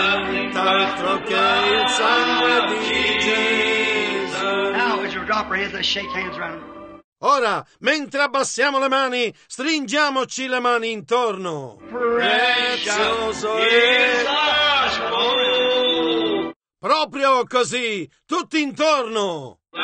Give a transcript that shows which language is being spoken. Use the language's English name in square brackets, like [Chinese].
[Italian] Nient'altro che il sangue di Gesù. [English] Now, as you drop your hands, let's shake hands around. [Italian] Ora, mentre abbassiamo le mani, stringiamoci le mani intorno. Prezioso è l'asco. Proprio così, tutti intorno.